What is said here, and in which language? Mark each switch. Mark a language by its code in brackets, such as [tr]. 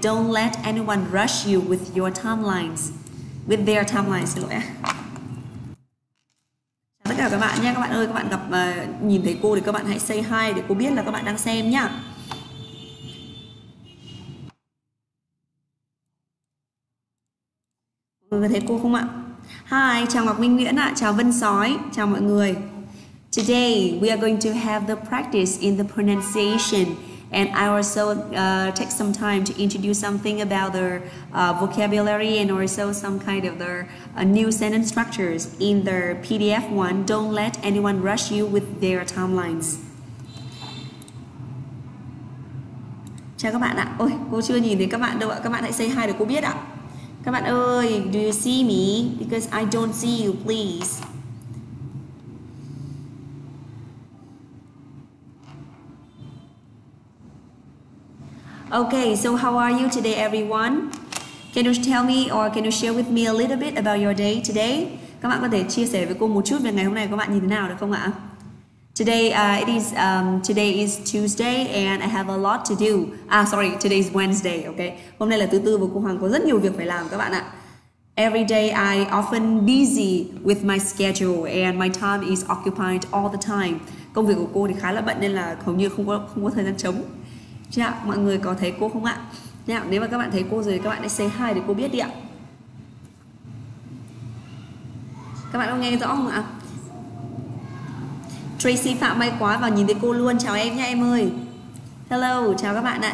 [en] Don't let anyone rush you with your timelines. With their timelines, [vi] xin lỗi. Chào tất cả các bạn nhé. Các bạn ơi, các bạn gặp nhìn thấy cô thì các bạn hãy [en] say hi [vi] để cô biết là các bạn đang xem nhá. Mọi người thấy cô không ạ? Hi, chào Ngọc Minh Nguyễn ạ. Chào Vân Sói. Chào mọi người. [en] Today, we are going to have the practice in the pronunciation, and I also take some time to introduce something about their vocabulary and also some kind of their new sentence structures in their PDF one. Don't let anyone rush you with their timelines. [vi] Chào các bạn ạ. Ôi, cô chưa nhìn thấy các bạn đâu ạ. Các bạn hãy [en] say hi [vi] để cô biết ạ. Các bạn ơi, [en] do you see me? Because I don't see you, please. Okay, so how are you today, everyone? Can you tell me or can you share with me a little bit about your day today? [vi] Các bạn có thể chia sẻ với cô một chút về ngày hôm nay các bạn nhìn thế nào được không ạ? [en] Today today is Tuesday and I have a lot to do. Ah, sorry, today is Wednesday, okay? [vi] Hôm nay là thứ tư và cô Hoàng có rất nhiều việc phải làm các bạn ạ. [en] Every day I often busy with my schedule and my time is occupied all the time. [vi] Công việc của cô thì khá là bận nên là hầu như không có thời gian trống. Chị ạ, mọi người có thấy cô không ạ? Nào, nếu mà các bạn thấy cô rồi thì các bạn hãy [en] say hi [vi] để cô biết đi ạ. Các bạn có nghe rõ không ạ? Tracy Phạm may quá vào nhìn thấy cô luôn. Chào em nha em ơi. Hello, chào các bạn ạ.